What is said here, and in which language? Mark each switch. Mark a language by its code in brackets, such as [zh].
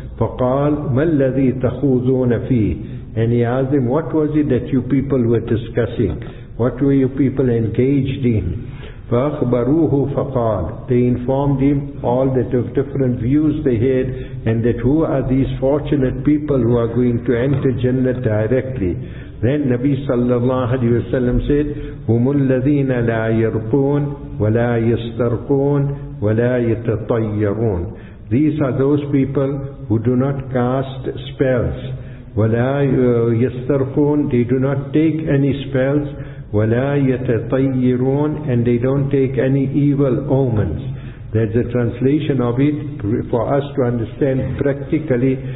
[ar] فَقَالَ مَا الَّذِي تَخُوذُونَ فِيهِ, [en] and he asked them, what was it that you people were discussing? What were you people engaged in? [ar] فَأَخْبَرُوهُ فَقَالَ, [en] they informed him all the different views they had, and that who are these fortunate people who are going to enter Jannah directly. Then Nabi sallallahu alayhi wa sallam said, [ar] هُمُ الَّذِينَ لَا يَرْقُونَ وَلَا يَسْتَرْقُونَ وَلَا يَتَطَيَّرُونَ. [en] These are those people who do not cast spells. [ar] وَلَا يَسْتَرْقُونَ, [en] they do not take any spells. [ar] وَلَا يَتَطَيِّرُونَ, [en] and they don't take any evil omens. That's a translation of it for us to understand practically.